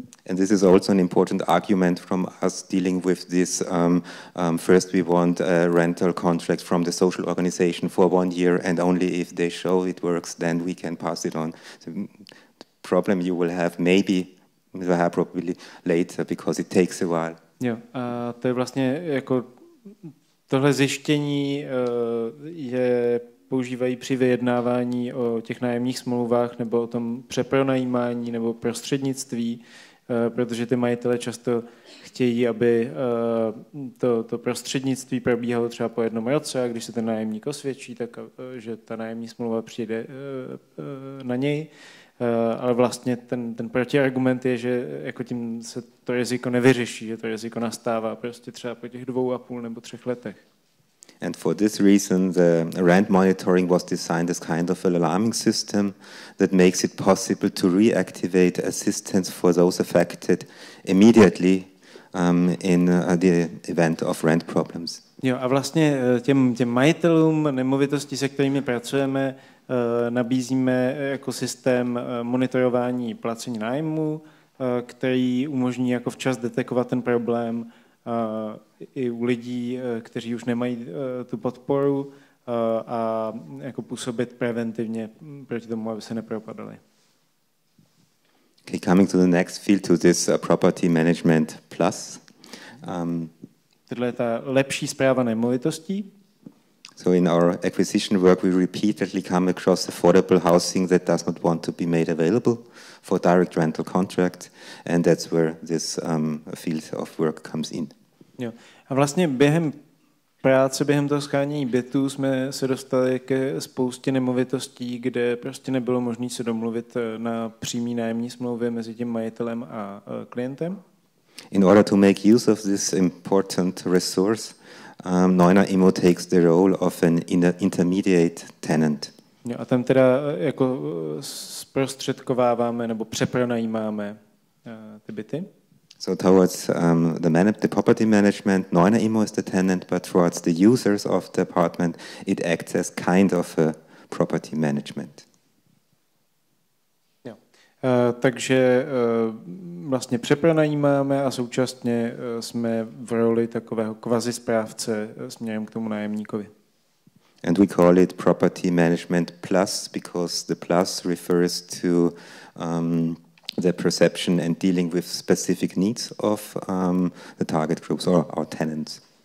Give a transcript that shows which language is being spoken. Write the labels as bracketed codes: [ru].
[en] And this is also an important argument from us dealing with this. First, we want a rental contract from the social organization for 1 year, and only if they show it works, then we can pass it on. So, problem you will have maybe probably later because it takes a while. [cs] Jo, a to je vlastně jako tohle zjištění je používají při vyjednávání o těch nájemních smlouvách nebo o tom přepronajímání nebo prostřednictví, protože ty majitele často chtějí, aby to prostřednictví probíhalo třeba po jednom roce, a když se ten nájemník osvědčí, tak že ta nájemní smlouva přijde na něj. Ale vlastně ten protiargument je, že jako tím se to riziko nevyřeší, že to riziko nastává prostě třeba po těch 2.5 nebo 3 letech. [en] And for this reason the rent monitoring was designed as kind of an alarming system that makes it possible to reactivate assistance for those affected immediately in the event of rent problems. [cs] Jo, a vlastně těm majitelům nemovitostí, se kterými pracujeme, nabízíme jako systém monitorování placení nájmu, který umožní jako včas detekovat ten problém i u lidí, kteří už nemají tu podporu a jako působit preventivně proti tomu, aby se nepropadali. [en] Okay, coming to the next field, to this property management plus. [cs] Tohle je ta lepší správa nemovitostí. [en] So in our acquisition work, we repeatedly come across affordable housing that does not want to be made available for direct rental contract, and that's where this field of work comes in. [cs] Jo. A vlastně během práce, během toho shánění bytů, jsme se dostali ke spoustě nemovitostí, kde prostě nebylo možné se domluvit na přímý nájemní smlouvě mezi tím majitelem a klientem. [en] In order to make use of this important resource, Neuner Immo takes the role of an intermediate tenant. [cs] Jo, a tam teda jako zprostředkováváme nebo přepronajímáme ty byty. [en] So towards the property management, Neuner Immo is the tenant, but towards the users of the apartment, it acts as kind of a property management. [cs] Jo. Takže vlastně přepronajímáme a současně jsme v roli takového kvazi správce směrem k tomu nájemníkovi. [en] And we call it property management plus because the plus refers to the perception and dealing with specific needs of the target groups or our tenants.